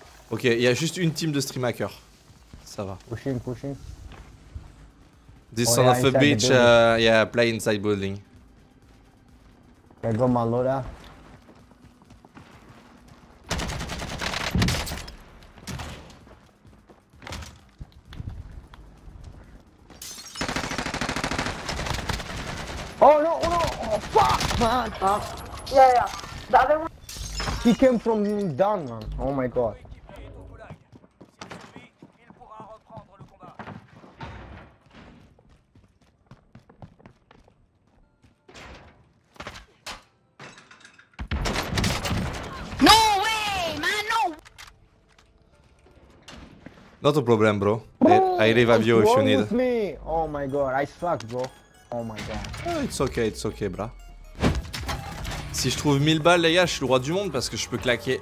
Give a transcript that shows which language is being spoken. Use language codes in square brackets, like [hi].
[fr] Ok, il y a juste une team de stream hacker. Ça va. [en] Pushing, pushing. This son of a bitch, yeah, play inside building. I got my loader. Oh no, oh no, oh fuck, man. Yeah, the other one. He came from down, man. Oh my god. No way, man, no. Not a problem, bro. I revive you if you need. What's wrong with me? Oh my god, I suck, bro. Oh my god. It's okay, bra. [fr] Si je trouve 1000 balles, les gars, je suis le roi du monde parce que je peux claquer.